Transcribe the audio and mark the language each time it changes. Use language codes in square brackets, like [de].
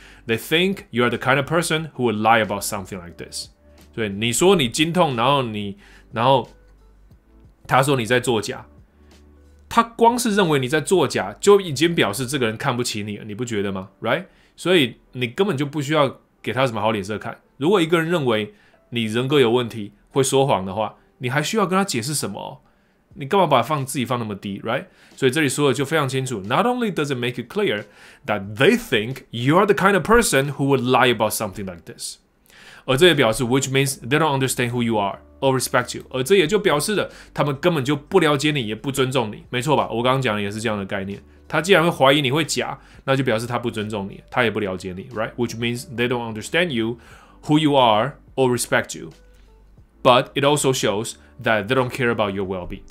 [en] They think you are the kind of person who would lie about something like this。 [zh] 所以你说你经痛，然后他说你在作假。他光是认为你在作假，就已经表示这个人看不起你了，你不觉得吗 ？Right？所以你根本就不需要给他什么好脸色看。如果一个人认为你人格有问题，会说谎的话，你还需要跟他解释什么？你干嘛把自己放那么低 ？Right？ 所以这里说的就非常清楚。 [en] Not only does it make it clear that they think you are the kind of person who would lie about something like this， [zh] 而这也表示 [en] ，which means they don't understand who you are。 Or respect you， [zh] 而这也就表示了他们根本就不了解你，也不尊重你，没错吧？我刚刚讲的也是这样的概念。他既然会怀疑你会假，那就表示他不尊重你，他也不了解你 ，right？ [en] Which means they don't understand you, who you are, or respect you. But it also shows that they don't care about your well-being.